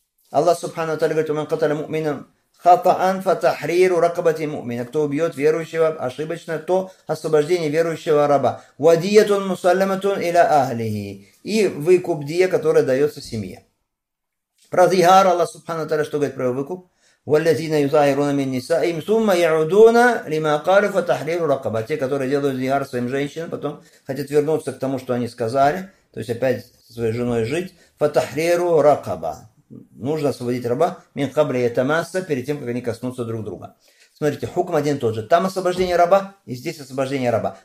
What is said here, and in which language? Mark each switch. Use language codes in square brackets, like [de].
[ru] Аллах Субхану Таля говорит, [ar] «Умен каталя му'минам хата'ан фатахриру ракабати му'мина». [ru] Кто убьет верующего ошибочно, то освобождение верующего раба. [ar] «Вадиятун мусалламатун иля ахлихи». [ru] И выкуп дия, который дается семье. Про зигар Аллах Субхану Таля что говорит про выкуп? [ar] والذين يظاهرون من نسائهم ثم يعودون لما قالوا فتحرير رقبة. [ru] Те, которые делают зигар своим женщинам, потом хотят вернуться к тому, что они сказали, то есть опять со своей женой жить. [ar] فتحرير رقبة. [ru] Нужно освободить раба [ar] мин кабли йатамасса, [ru] перед тем, как они коснутся друг друга. Смотрите, хукм один и тот же. Там освобождение раба, и здесь освобождение раба.